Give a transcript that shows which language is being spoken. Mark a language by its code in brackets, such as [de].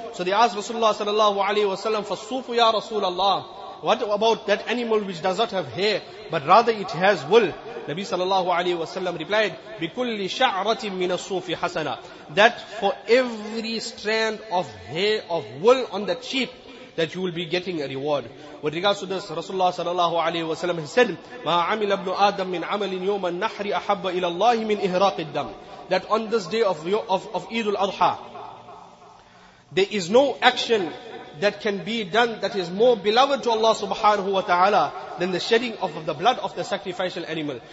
[en] So they asked [ar] Rasulullah sallallahu alayhi wa sallam, فَصُّفُ يَا رَسُولَ اللَّهِ. [en] What about that animal which does not have hair, but rather it has wool? [ar] Nabi sallallahu alayhi wa sallam replied, بِكُلِّ شَعْرَةٍ مِنَ الصُّوفِ حَسَنَةً. [en] That for every strand of hair, of wool on that sheep, that you will be getting a reward. With regards to this, [ar] Rasulullah sallallahu alayhi wa sallam has said, مَا عَمِلَ ابْنُ آدَمْ مِنْ عَمَلٍ يَوْمَ النَّحْرِ أَحَبَّ إِلَى اللَّهِ مِنْ إِهْرَاقِ الدَّمِ. [en] That on this day of Eidul Adha, there is no action that can be done that is more beloved to Allah subhanahu wa ta'ala than the shedding of the blood of the sacrificial animal.